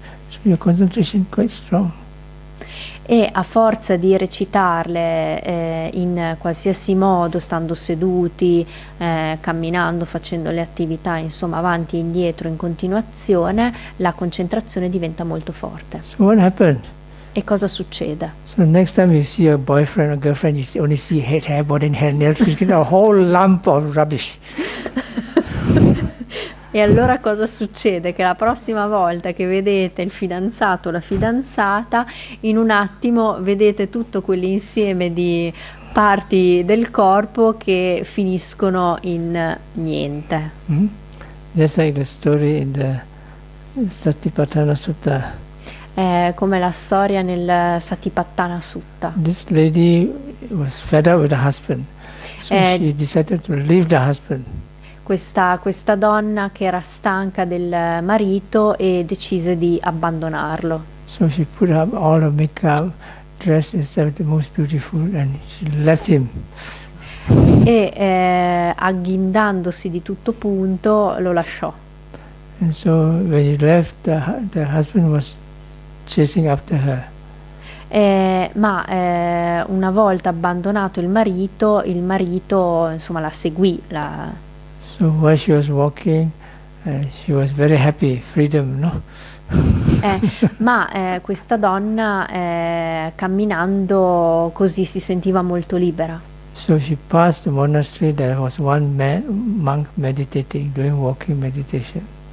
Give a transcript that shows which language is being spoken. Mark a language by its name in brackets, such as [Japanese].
[English] So your concentration is quite strong. [Italian] E a forza di recitarle in qualsiasi modo, stando seduti, camminando, facendo le attività, insomma, avanti e indietro in continuazione, la concentrazione diventa molto forte. [English] So what happened? [Italian] E cosa succede? [English] So next time you see a boyfriend or girlfriend, you only see head, hair, body, hair, nails, you get a whole lump of rubbish. [Italian] E allora cosa succede? Che la prossima volta che vedete il fidanzato o la fidanzata, in un attimo vedete tutto quell'insieme di parti del corpo che finiscono in niente. [English] Just like the story in the Satipatthana Sutta. [Italian] Come la storia nel Satipatthana Sutta. [English] This lady was fed up with her husband, so she decided to leave the husband. [Italian] Questa donna che era stanca del marito e decise di abbandonarlo. [English] So she put up all her makeup, dressed herself the most beautiful, and she left him. [Italian] E agghindandosi di tutto punto lo lasciò. [English] And so when she left, the husband was chasing after her. [Italian] Ma una volta abbandonato il marito insomma la seguì, la. [English] So while she was walking, she was very happy, freedom, no? [Italian] questa donna camminando così si sentiva molto libera. [English] So she passed the monastery, there was one monk meditating, doing walking meditation.